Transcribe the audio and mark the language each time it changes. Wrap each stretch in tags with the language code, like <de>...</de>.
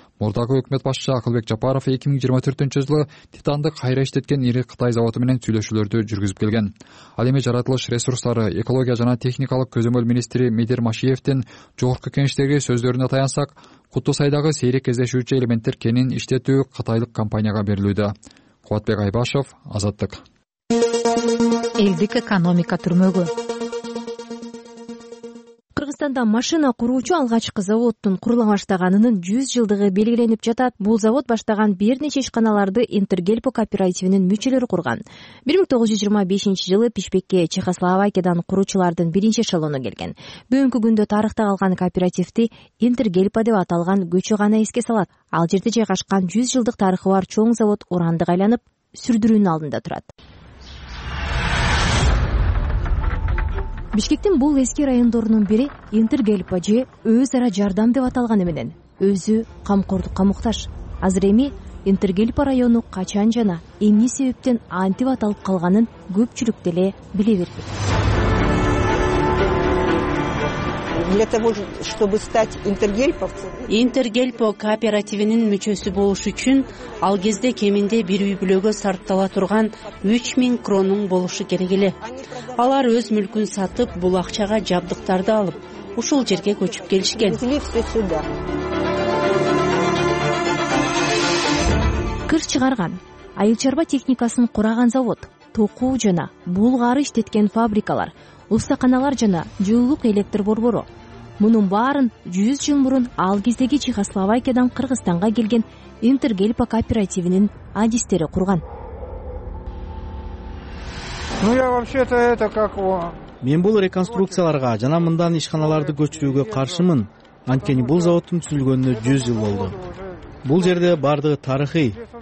<ky>Мурдагы өкмөт башчы Акылбек Жапаров 2024 жылы титанды кайра иштеткен ири Кытай заводу менен сүйлөшүүлөрдү жүргүзүп келген. Ал эми жаратылыш ресурстары, экология жана техникалык көзөмөл министри Медер Машиевтин жогорку кеңештеги сөздөрүнө таянсак, Коттуусайдагы сейрек кездешүүчү элементтер кенин иштетүү кытайлык компанияга берилүүдө. Кубатбек Айбашев, Азаттык. Элдик экономика түрмөгү. Кыргызстанда машина куруучу алгачкы заводдун курула баштаганынын 100 жылдыгы белгиленип жатат. Бул завод баштаган бир нече ишканаларды Интергельпо кооперативинин мүчөлөрү курган. 1925 жылы Пишпекке Чехословакиядан куруучулардын биринчи эшелону келген. Бүгүнкү күндө тарыхта калган кооперативти Интергельпо деп аталган көчө гана эске салат. Ал жерде жайгашкан 100 жылдык тарыхы бар чоң завод урандык айланып, сүрдүрүүнүн алдында турат. Бишкектин бул эски райондорунун бири Интергельпо же өз ара жардам деп аталганы менен өзү камкордукка муктаж. Азыр эми Интергельпо району качан жана эмне себептен антип аталып калганын көпчүлүк деле биле бербейт.</ky> <ru>Для того, чтобы стать интергельповцем.</ru> <ky>Интергельпо кооперативинин мүчөсү болуш үчүн ал кезде кеминде бир үй бүлөгө сарптала турган 3000 кроннун болушу керек эле. Алар өз мүлкүн сатып, бул акчага жабдыктарды алып, ушул жерге көчүп келишкен. Кыр чыгарган, айыл чарба техникасын кураган завод, токуу жана булгары иштеткен фабрикалар, устаканалар жана жылуулук электр борбору. Мунун баарын 100 жыл мурун ал кездеги Чехословакиядан Кыргызстанга келген Интергельпо кооперативинин адистери курган.</ky> <ru>Ну я вообще-то это как его.</ru> <ky>Мен бул реконструкцияларга жана мындан ишканаларды көчүрүүгө каршымын, анткени бул заводтун түзүлгөнүнө 100 жыл болду. Бул жерде бардыгы тарыхый.</ky>